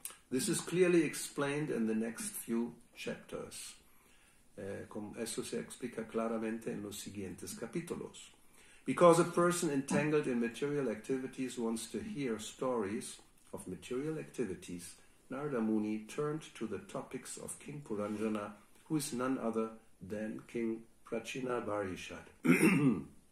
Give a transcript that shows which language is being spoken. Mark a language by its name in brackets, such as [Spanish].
[English] This is clearly explained in the next few chapters. [Spanish] Eso se explica claramente en los siguientes capítulos. [English] Because a person entangled in material activities wants to hear stories of material activities, Narada Muni turned to the topics of King Puranjana, who is none other than King Prachinabarishad.